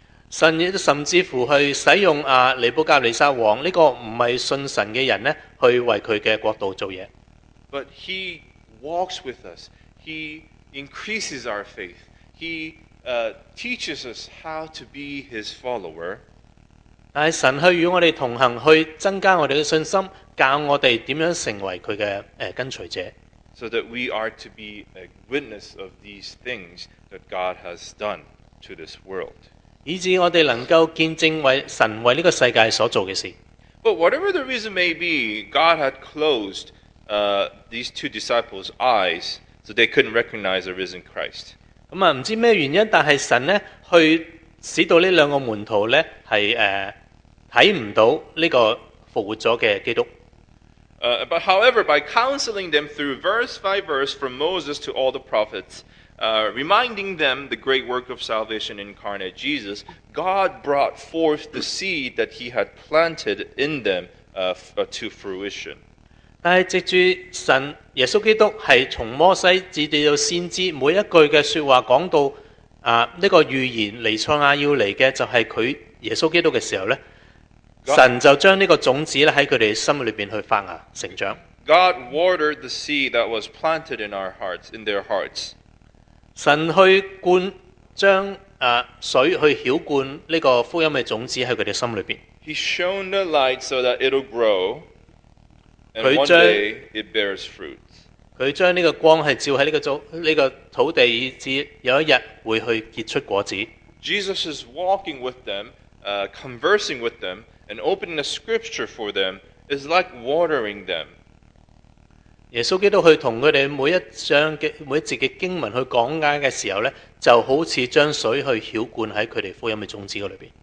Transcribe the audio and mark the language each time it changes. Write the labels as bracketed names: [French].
[Chinese] 神也甚至乎去使用尼布甲尼撒王这个不是信神的人呢，去为他的国度做事。 [English] But he walks with us. He increases our faith. He teaches us how to be his follower. [Chinese] 但是神去与我们同行，去增加我们的信心。教我哋点样成为佢嘅跟随者 [English] ，so that we are to be a witness of these things that God has done to this world， [Chinese] 以致我哋能够见证为神为呢个世界所做嘅事。 [English] But whatever the reason may be, God had closed these two disciples' eyes so they couldn't recognize the risen Christ。 [Chinese] 咁啊，唔知咩原因，但系神咧去使到呢两个门徒咧系睇唔到呢个复活咗嘅基督。 [English] But however, by counseling them through verse by verse from Moses to all the prophets, reminding them the great work of salvation incarnate Jesus, God brought forth the seed that he had planted in them to fruition. [Chinese] 但是藉着神耶稣基督是从摩西至到先知每一句的说话讲到这个预言尼赛亚要来的就是他耶稣基督的时候呢God, 神就将这个种子在他们心里面去发芽成长。 [English] God watered the seed that was planted in our hearts, in their hearts. [Chinese] 神去灌将水去浇灌这个福音的种子在他们心里面。 [English] He shone the light so that it'll grow, and one day it bears fruit. [Chinese] 他将这个光是照在这个土地以至有一天会去结出果子。 [English] Jesus is walking with them, conversing with them,And opening a scripture for them is like watering them. [Chinese] 耶稣基督去同佢哋每一章嘅每一节嘅经文去讲解嘅时候咧，就好似将水去浇灌喺佢哋福音嘅种子嗰里边。